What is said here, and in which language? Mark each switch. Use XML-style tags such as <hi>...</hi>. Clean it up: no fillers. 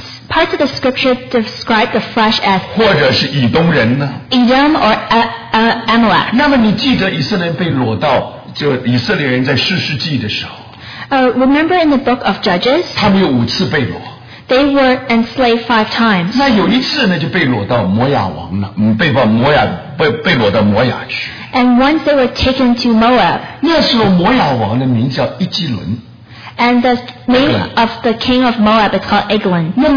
<en>Parts of the scripture describe the flesh as</en> <zh>或者是以东人呢?</zh> <en>Edom or Amalek.</en> <zh>那么你记得以色列人被掳到就以色列人在士师记的时候?</zh> <en>Remember in the book of Judges?</en> <zh>他们有五次被掳。</zh> <en>They were enslaved 5 times.</en> <zh>那有一次呢，就被掳到摩押王了，被掳到摩押去。</zh> <en>And once they were taken to Moab.</en> <zh>那时候摩押王的名叫伊基伦。</zh> <en>And the name of the king of Moab is called Eglon.</en>